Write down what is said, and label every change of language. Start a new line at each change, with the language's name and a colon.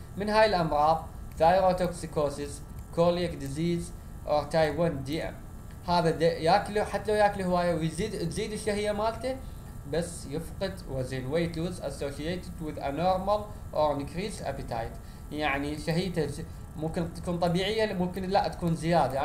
Arabic: من هاي الأمراض
English: thyrotoxicosis, colic disease or type 1 DM.
Arabic: هذا يأكله حتى لو يأكله هواية ويزيد تزيد الشهية مالته بس يفقد وزن.
English: weight loss associated with a normal or increased appetite.
Arabic: يعني شهيته ممكن تكون طبيعية ممكن لا تكون زيادة.